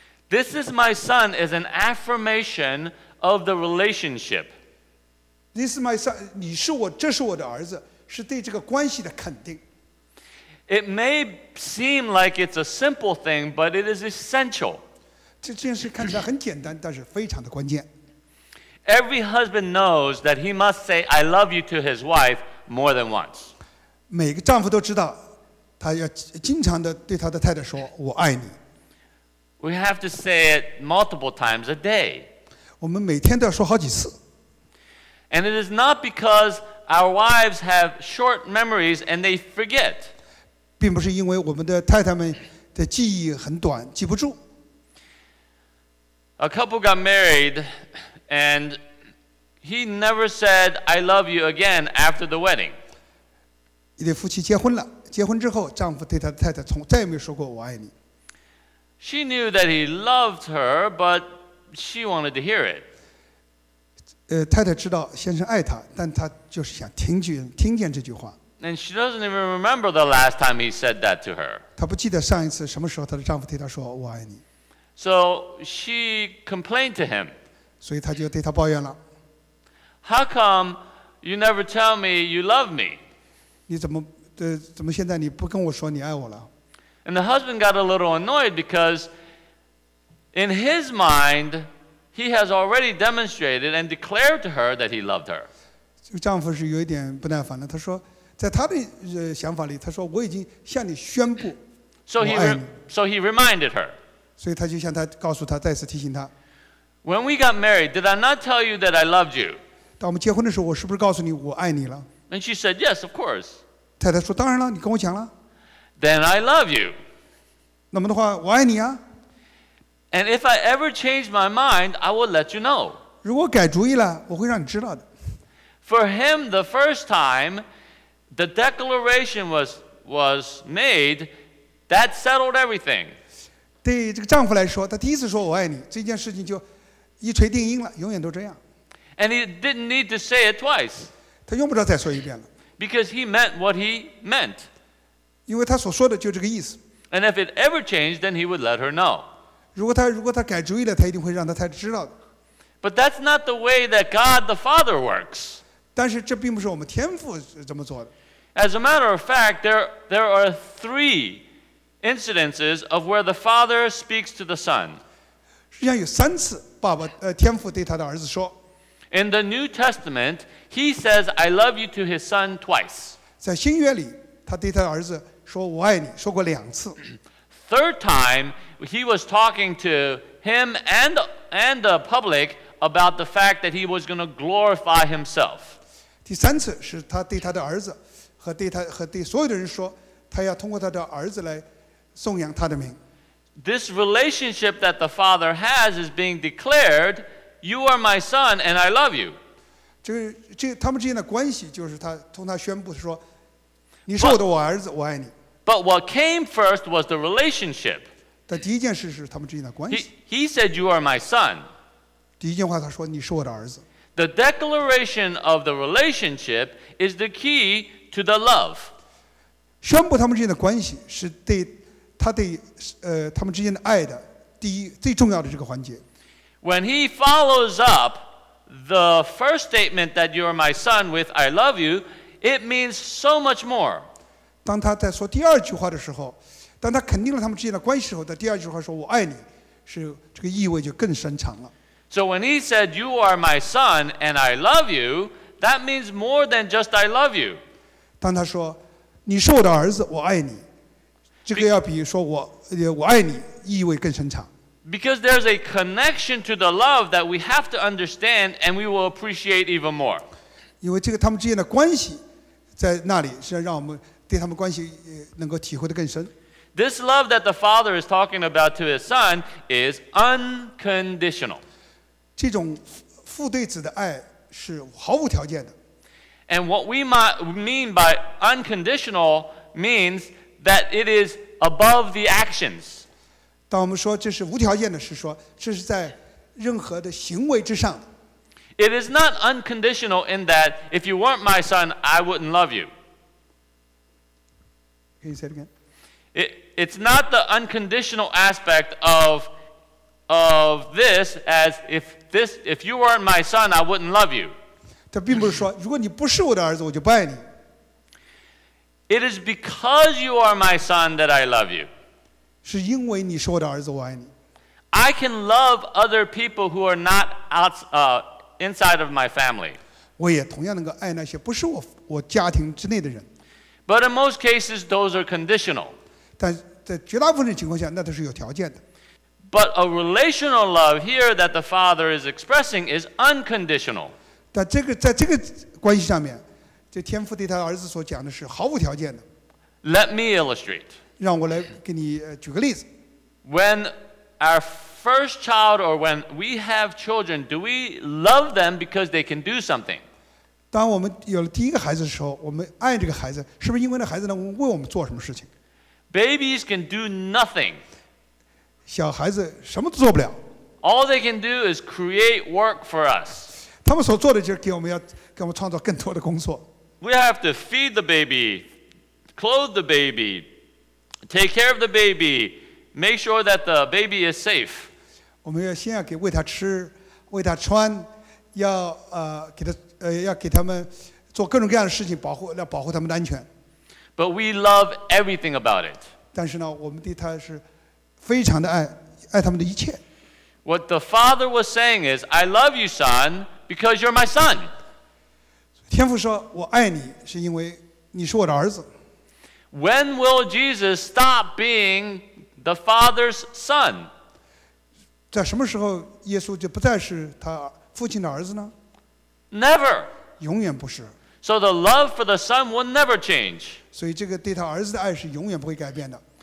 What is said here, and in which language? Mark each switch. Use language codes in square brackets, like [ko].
[en] This is my son is an affirmationof the relationship. This is my son, [zh] 你是我，这是我的儿子，是对这个关系的肯定。 [en] It may seem like it's a simple thing, but it is essential. [zh] 这件事看起来很简单，但是非常的关键。 [en] Every husband knows that he must say, I love you to his wife more than once. [zh] 每个丈夫都知道，他要经常的对他的太太说，我爱你。 [en] We have to say it multiple times a day. [zh] 我们每天都要说好几次。 [en] And it is not because our wives have short memories and they forget. [zh] 并不是因为我们的太太们的记忆很短，记不住。 [en] A couple got married and he never said, I love you again after the wedding. [zh] 一对夫妻结婚了，结婚之后，丈夫对他的太太从再也没说过我爱你。 [en] She knew that he loved her, but... She wanted to hear it. [zh] 太太知道先生爱她，但她就是想听见这句话。 [en] And she doesn't even remember the last time he said that to her. [zh] 她不记得上一次什么时候她的丈夫对她说我爱你。 [en] So she complained to him. [zh] 所以她就对他抱怨了。 [en] How come you never tell me you love me? [zh] 你怎么现在你不跟我说你爱我了？ [en] And the husband got a little annoyed because. In his mind, he has already demonstrated and declared to her that he loved her. [zh] 丈夫是有一点不耐烦了，他说，在他的想法里，他说我已经向你宣布，我爱你。 [en] So he reminded her. [zh] 所以他就向他告诉他，再次提醒他。 [en] When we got married, did I not tell you that I loved you? [zh] 当我们结婚的时候，我是不是告诉你我爱你了？ [en] And she said, yes, of course. [zh] 太太说，当然了，你跟我讲了。 [en] Then I love you. [zh] 那么的话，我爱你啊。 [en] And if I ever change my mind, I will let you know. [zh] 如果改主意了，我会让你知道的。 [en] For him, the first time, the declaration was made, that settled everything. [zh] 对这个丈夫来说，他第一次说我爱你，这件事情就一锤定音了，永远都这样。 [en] And he didn't need to say it twice. [zh] 他用不着再说一遍了。 [en] Because he meant what he meant. [zh] 因为他所说的就这个意思。 [en] And if it ever changed, then he would let her know. [zh] 如果他改主意了，他一定会让他太太知道的。 [en] But that's not the way that God the Father works. [zh] 但是这并不是我们天父这么做的。 [en] As a matter of fact, there are three incidences of where the Father speaks to the Son. [zh] 实际上有三次，爸爸天父对他的儿子说。 [en] In the New Testament, he says, "I love you" to his son twice. [zh] 在新约里，他对他的儿子说我爱你，说过两次。 [en] Third time, he was talking to him and the public about the fact that he was going to glorify himself. [zh] 第三次是他对他的儿子和对所有的人说，他要通过他的儿子来颂扬他的名。 [en] This relationship that the Father has is being declared, you are my son and I love you. [zh] 这他们之间的关系就是他通他宣布说，你是我的我儿子，我爱你。 [en] But what came first was the relationship. [zh] 但第一件事是他们之间的关系。 [en] He said, "You are my son." [zh] 第一句话他说，你是我的儿子。 [en] The declaration of the relationship is the key to the love. [zh] 宣布他们之间的关系是对他对他们之间的爱的第一最重要的这个环节。 [en] When he follows up the first statement that you are my son with "I love you," it means so much more. [zh] 当他在说第二句话的时候，当他肯定了他们之间的关系时候，他第二句话说我爱你，是这个意味就更深长了。 [en] So when he said, "You are my son, and I love you," that means more than just "I love you." [zh] 当他说，你是我的儿子，我爱你，这个要比说我爱你意味更深长。 [en] Because there's a connection to the love that we have to understand, and we will appreciate even more. [zh] 因为这个他们之间的关系在那里，是让我们对他们关系能够体会得更深。 [en] This love that the father is talking about to his son is unconditional. [zh] 这种父对子的爱是毫无条件的。 [en] And what we mean by unconditional means that it is above the actions. [zh] 当我们说这是无条件的，是说这是在任何的行为之上的。 [en] It is not unconditional in that if you weren't my son, I wouldn't love you. Can you say it again? It's not the unconditional aspect of this as if you weren't my son, I wouldn't love you. [zh] 它并不是说如果你不是我的儿子，我就不爱你。 [en] It is because you are my son that I love you. [zh] 是因为你是我的儿子，我爱你。 [en] I can love other people who are not inside of my family. [zh] 我也同样能够爱那些不是我家庭之内的人。 [en] But in most cases, those are conditional. [zh] 但在绝大部分的情况下，那都是有条件的。 [en] But a relational love here that the father is expressing is unconditional. [zh] 但这个在这个关系上面，这天父对他儿子所讲的是毫无条件的。 [en] Let me illustrate. [zh] 让我来给你举个例子。 [en] When our first child or when we have children, do we love them because they can do something? [zh] 当我们有了第一个孩子的时候，我们爱这个孩子，是不是因为那孩子能为我们做什么事情？ [en] Babies can do nothing. [zh] 小孩子什么都做不了。 [en] All they can do is create work for us. [zh] 他们所做的就是给我们创造更多的工作。 [en] We have to feed the baby, clothe the baby, take care of the baby, make sure that the baby is safe. [zh] 我们要先要给喂他吃，喂他穿，要给他们做各种各样的事情，保护他们的安全。 [en] But we love everything about it. [zh] 但是呢，我们对他是非常的爱，爱他们的一切。 [en] What the father was saying is, "I love you, son, because you're my son." [zh] 天父说，我爱你是因为你是我的儿子。 [en] When will Jesus stop being the father's son? [zh] 在什么时候耶稣就不再是他父亲的儿子呢？ [en] Never. [zh] 永远不是。 [en] So the love for the son will never change. [zh] 所以这个对他儿子的爱是永远不会改变的。